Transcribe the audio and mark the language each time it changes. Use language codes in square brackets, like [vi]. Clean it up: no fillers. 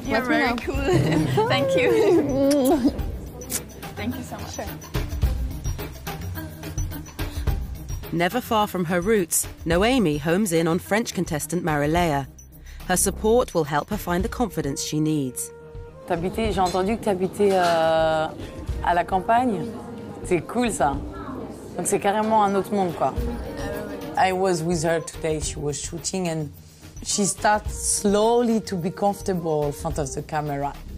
[en] You're very cool. Thank you. Thank you so much. Sure. Never far from her roots, Noemi homes in on French contestant Marilea. Her support will help her find the confidence she needs. [fr] J'ai entendu que tu habitais à la campagne. C'est cool ça. Donc c'est carrément un autre monde quoi. [en] I was with her today, she was shooting and she starts slowly to be comfortable in front of the camera.